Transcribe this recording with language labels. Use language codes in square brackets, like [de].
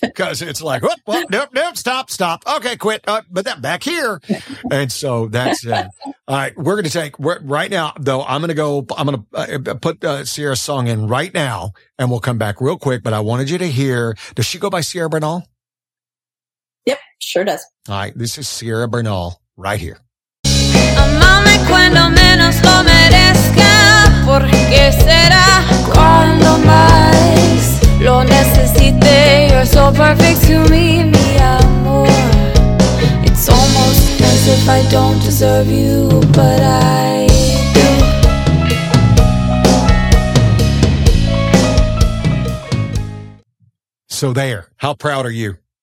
[en] Because it's like, stop. Okay, quit. But that back here. And so that's it. All right. We're going to take right now, though. I'm going to put Sierra's song in right now and we'll come back real quick. But I wanted you to hear, does she go by Sierra Bernal? Yep, sure does. All right. This is Sierra Bernal right here. [es] Amame cuando menos lo merezca, porque será cuando más lo necesite. [en] You're so perfect to me, [es] mi amor. [en] It's almost as if I don't deserve you, but I do. So there, how proud are you?